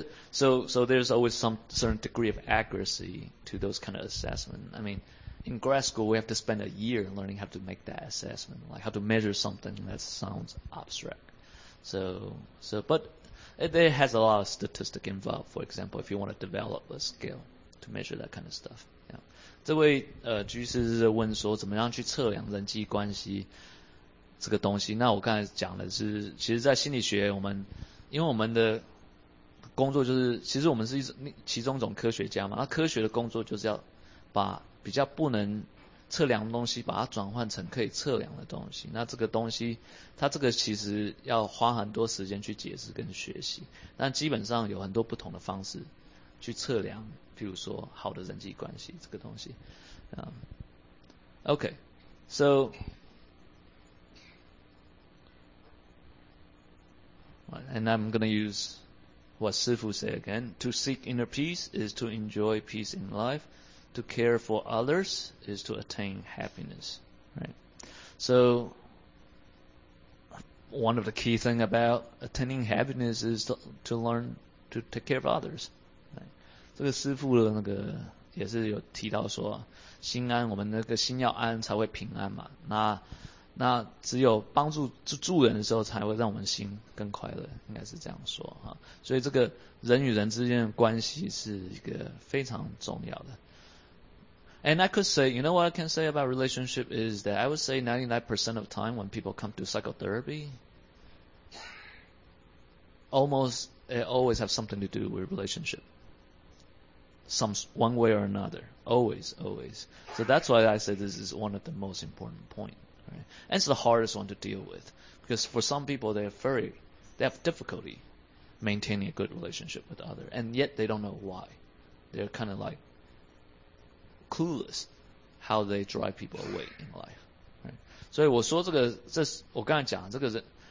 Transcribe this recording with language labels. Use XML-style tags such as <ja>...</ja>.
<en>So there's always some certain degree of accuracy to those kind of assessments. I mean, in grad school, we have to spend a year learning how to make that assessment, like how to measure something that sounds abstract. But there has a lot of statistic involved, for example, if you want to develop a skill to measure that kind of stuff. Yeah.</en> <zh>这位居士问说怎么样去测量人际关系这个东西，那我刚才讲的是，其实在心理学我们，因为我们的工作就是，其实我们是其中一种科学家嘛，那科学的工作就是要把比较不能测量的东西把它转换成可以测量的东西，那这个东西它这个其实要花很多时间去解释跟学习，但基本上有很多不同的方式去测量，譬如说好的人际关系这个东西。</zh> <en>OK, SoAnd I'm going to use what Sifu said again. To seek inner peace is to enjoy peace in life. To care for others is to attain happiness. Right? So one of the key things about attaining happiness is to learn to take care of others. Right?</en> <zh>这个师父的那个也是有提到说心安，我们那个心要安才会平安嘛。那只有帮助助人的时候才会让我们心更快乐，应该是这样说哈。所以这个人与人之间的关系是一个非常重要的。</zh> <en>And I could say, you know what I can say about relationship is that I would say 99% of time when people come to psychotherapy, almost it always have something to do with relationship. One way or another. Always. So that's why I say this is one of the most important points. Right? And it's the hardest one to deal with, because for some people they have difficulty maintaining a good relationship with the other, and yet they don't know why. They're kind of like clueless how they drive people away in life. Right?</en> <zh>所以我说这个，这我刚才讲这个是。</zh>